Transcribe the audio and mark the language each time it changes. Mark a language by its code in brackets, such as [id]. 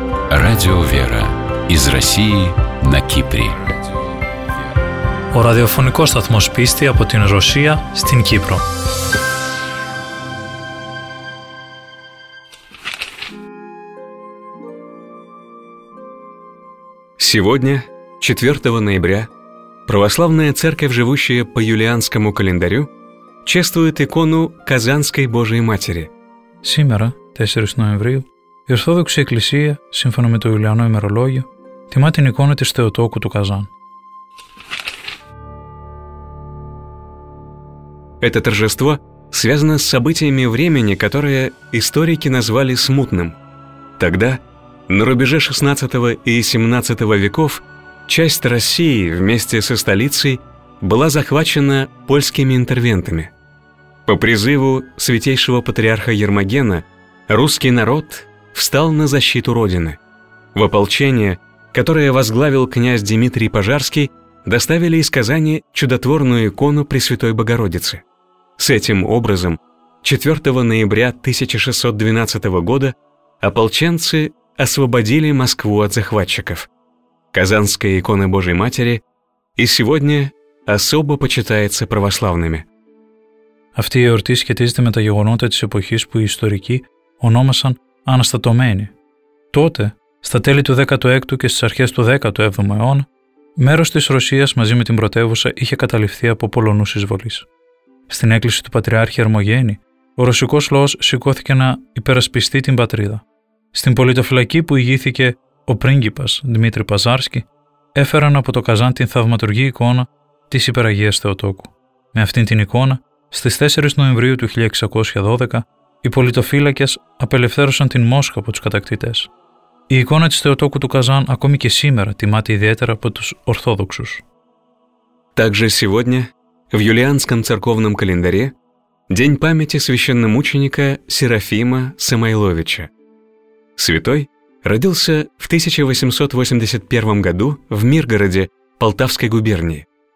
[ru] Радио «Вера» из России на Кипре. [el] Ο ραδιοφωνικός σταθμός πίστη από την Ρωσία στην Κύπρο. [ru] Сегодня, 4 ноября, православная церковь, живущая по юлианскому календарю, чествует икону Казанской Божией Матери. Сегодня, 4 ноября, [el] η Ορθόδοξη Εκκλησία, σύμφωνα με το Ιουλιανό ημερολόγιο, τιμά την εικόνα της Θεοτόκου του Καζάν. [ru] Это торжество связано с событиями времени, которое историки назвали смутным. Тогда, на рубеже 16 и 17 веков, часть России вместе со столицей была захвачена польскими интервентами. По призыву святейшего патриарха Ермогена, русский народ встал на защиту Родины. В ополчение, которое возглавил князь Дмитрий Пожарский, доставили из Казани чудотворную икону Пресвятой Богородицы. С этим образом, 4 ноября 1612 года ополченцы освободили Москву от захватчиков. Казанская икона Божией Матери и сегодня особо почитается православными. [el] Αυτή η εορτή σχετίζεται με τα γεγονότα της εποχής που οι ιστορικοί ονόμασαν Αναστατωμένη. Τότε, στα τέλη του 16ου και στις αρχές του 17ου αιώνα, μέρος της Ρωσίας μαζί με την πρωτεύουσα είχε καταληφθεί από Πολωνούς εισβολείς. Στην έκκληση του Πατριάρχη Ερμογέννη, ο ρωσικός λαός σηκώθηκε να υπερασπιστεί την πατρίδα. Στην πολιτοφυλακή που ηγήθηκε ο πρίγκιπας Δημήτρη Παζάρσκι, έφεραν από το Καζάν την θαυματουργή εικόνα της Υπεραγίας Θεοτόκου. Με αυτήν την εικόνα, στις 4 Νοεμβρίου του 1612, οι πολιτοφύλακες απελευθέρωσαν την Μόσχα από τους κατακτητές. Η εικόνα της Θεοτόκου του Καζάν ακόμη και σήμερα τιμάται ιδιαίτερα από τους Ορθόδοξους. [ru] Также сегодня в юлианском церковном календаре день памяти священномученика Серафима Самойловича. Святой родился в 1881 году в Миргороде Полтавской губернии.